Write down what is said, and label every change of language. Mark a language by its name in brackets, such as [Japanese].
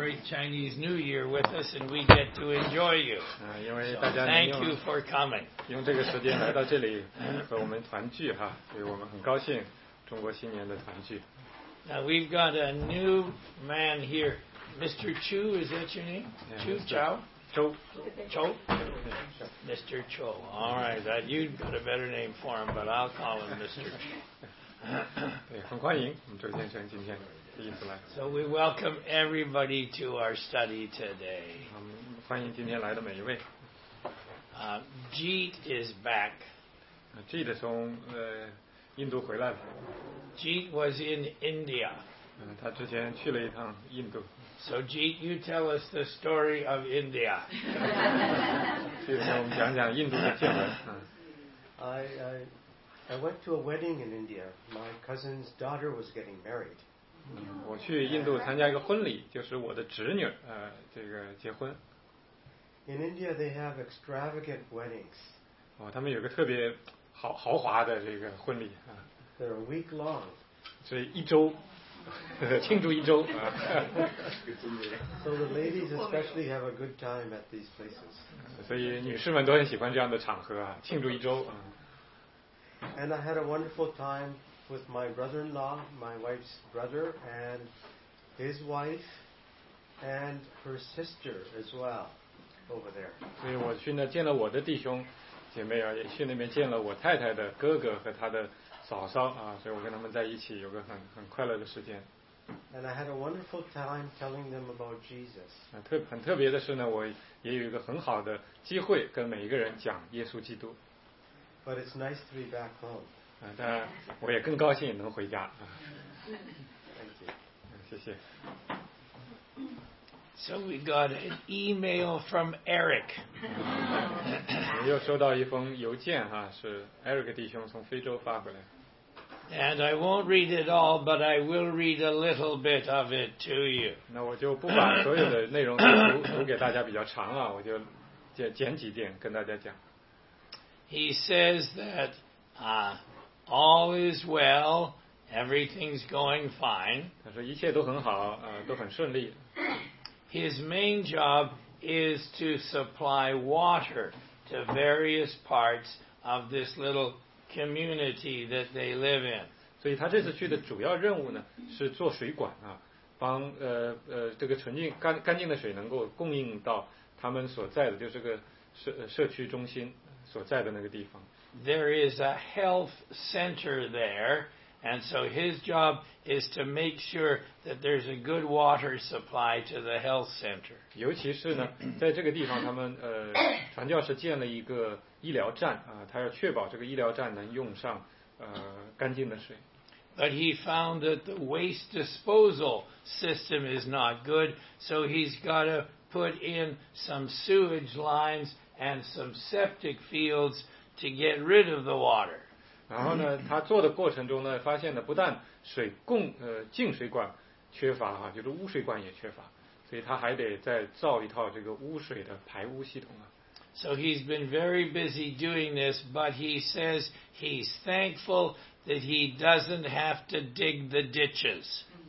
[English] Chinese New Year with us, and we get to enjoy you. So thank you for coming. [Chinese] 用这个时间来到这里和我们团聚哈，所以我们很高兴中国新年的团聚。 [English] Now we've got a new man here, Mr. Chu. Is that your name? Chu Chow. Chou. Mr. Chou. All right, that you've got a better name for him, but I'll call him Mr. Chu. [Chinese] 对，很欢迎我们周先生今天。 [English] So we welcome everybody to our study today. [Chinese] 欢迎今天来的每一位。 [English] Jeet is back. [Chinese] Jeet 从印度回来了。 [English] Jeet was in India. [Chinese] 他之前去了一趟印度。 [English] So Jeet, you tell us the story of India. [Chinese] 今天我们讲讲印度的见闻。 [English] I went to a wedding in India. My cousin's daughter was getting married. [Chinese] 我去印度参加一个婚礼，就是我的侄女，这个结婚。 [English] In India, they have extravagant weddings. [Chinese] 哦，他们有个特别豪华的这个婚礼啊。 [English] They're a week long. [Chinese] 所以一周，庆祝一周啊。 [English] So the ladies especially have a good time at these places. [Chinese] 所以女士们都很喜欢这样的场合啊，庆祝一周啊。 [English] And I had a wonderful time. With my brother-in-law, my wife's brother, and his wife, and her sister as well, over there. [Chinese] 所以我去那见了我的弟兄姐妹啊，也去那边见了我太太的哥哥和他的嫂嫂啊，所以我跟他们在一起有个很快乐的时间。 [English] And I had a wonderful time telling them about Jesus. [Chinese] 很特别的是呢，我也有一个很好的机会跟每一个人讲耶稣基督。 [English] But it's nice to be back home. [Chinese] 当然我也更高兴能回家。谢谢。 [English] So we got an email from Eric. [Chinese] 我又收到一封邮件哈，是 Eric 弟兄从非洲发回来。 [English] And I won't read it all, but I will read a little bit of it to you. [Chinese] 那我就不把所有的内容读给大家，比较长啊，我就剪几点跟大家讲。 [English] He says that, All is well, everything's going fine. [Chinese] 他说一切都很好，都很顺利。 [English] His main job is to supply water to various parts of this little community that they live in. [Chinese] 所以他这次去的主要任务呢，是做水管啊，帮这个纯净干净的水能够供应到他们所在的，就是个社区中心所在的那个地方。 [English] There is a health center there, and so his job is to make sure that there's a good water supply to the health center. [Chinese] 尤其是呢，在这个地方，他们传教士建了一个医疗站啊，他要确保这个医疗站能用上干净的水。 [English] But he found that the waste disposal system is not good, so he's got to put in some sewage lines and some septic fields. To get rid of the water. [Chinese] 然后呢，他做的过程中呢，发现呢，不但水供净水管缺乏哈，就是污水管也缺乏，所以他还得再造一套这个污水的排污系统啊。 [English] So he's been very busy doing this, but he says he's thankful that he doesn't have to dig the ditches.